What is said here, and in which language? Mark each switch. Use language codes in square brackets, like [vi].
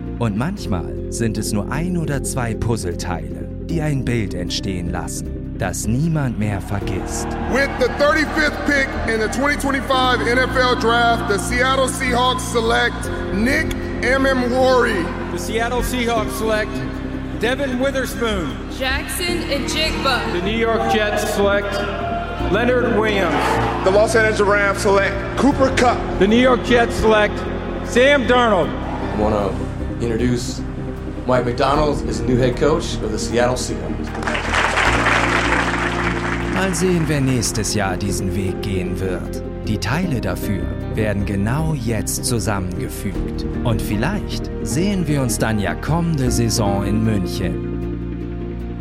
[de] Und manchmal sind es nur ein oder zwei Puzzleteile, die ein Bild entstehen lassen, das niemand mehr vergisst. [en] With the 35th pick in the 2025 NFL Draft, the Seattle Seahawks select Nick Amemwori. The Seattle Seahawks select Devin Witherspoon. Jackson Ejigba. The New York Jets select Leonard Williams. The Los Angeles Rams select Cooper Kupp. The New York Jets select Sam Darnold. I want to introduce Mike McDonald as the new head coach of the Seattle Seahawks. [de] Mal sehen, wer nächstes Jahr diesen Weg gehen wird. Die Teile dafür werden genau jetzt zusammengefügt. Und vielleicht sehen wir uns dann ja kommende Saison in München.